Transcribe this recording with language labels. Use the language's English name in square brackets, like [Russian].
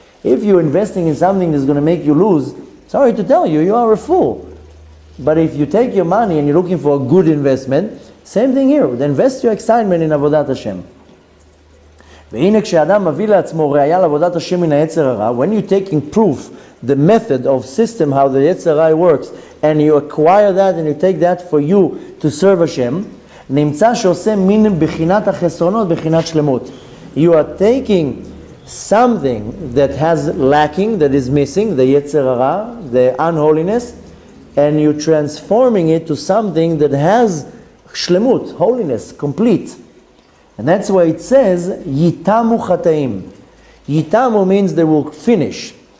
[English] If you're investing in something that's going to make you lose, sorry to tell you, you are a fool. But if you take your money and you're looking for a good investment, same thing here. Then invest your excitement in Avodat Hashem. When you're taking proof, the method of system, how the Yetzer Hara works, and you acquire that and you take that for you to serve Hashem, [Hebrew] נמצא שעושה מין בחינת החסרונות, בחינת שלמות. [English] You are taking something that has lacking, that is missing, the Yetzer Harah, the unholiness, and you're transforming it to something that has shlemut, holiness, complete. And that's why it says, Yitamu chataim. Yitamu means they will finish.